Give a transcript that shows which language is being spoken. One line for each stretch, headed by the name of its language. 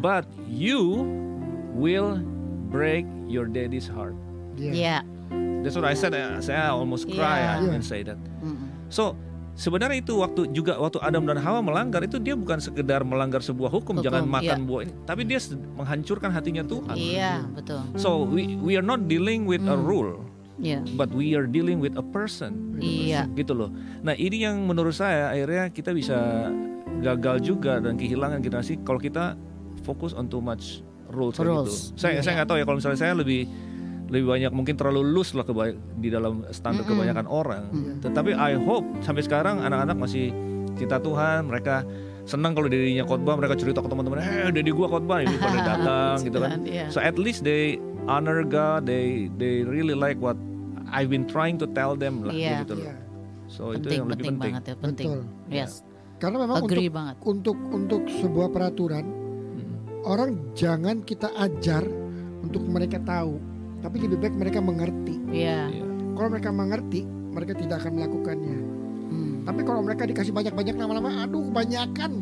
English: But you will break your daddy's heart. Yeah. That's what I said.
Indonesian: Saya
English: almost cry. Yeah. I didn't say that. Mm-hmm. So
Indonesian: sebenarnya itu waktu juga waktu Adam dan Hawa melanggar itu dia bukan sekedar melanggar sebuah hukum jangan makan buah ini, tapi dia menghancurkan hatinya Tuhan. Iya, yeah, betul.
English: So we are not dealing with a rule. Yeah. But we are dealing with a person.
Indonesian: Iya. Gitu loh. Nah, ini yang menurut saya akhirnya kita bisa gagal juga dan kehilangan generasi kalau kita fokus
English: on too much rules
Indonesian: gitu. Saya enggak tahu ya kalau misalnya saya lebih banyak mungkin terlalu loose lah di dalam standar kebanyakan orang. Tetapi
English: I hope
Indonesian: sampai sekarang anak-anak masih cinta Tuhan, mereka senang kalau dadinya khotbah, mereka cerita ke teman-teman, dadi gua khotbah ini pada datang gitu kan.
English: Yeah. So at least they honor God, they really like what I've been trying to tell them
Indonesian: lah.
English: Yeah.
Indonesian: Gitu
English: yeah.
Indonesian: So penting, itu yang lebih penting. Banget ya, penting. Betul.
English: Yes. Yeah.
Indonesian: Karena memang untuk sebuah peraturan orang jangan kita ajar untuk mereka tahu. Tapi lebih baik mereka mengerti. Yeah. Kalau mereka mengerti, mereka tidak akan melakukannya. Tapi kalau mereka dikasih banyak-banyak lama-lama, aduh kebanyakan.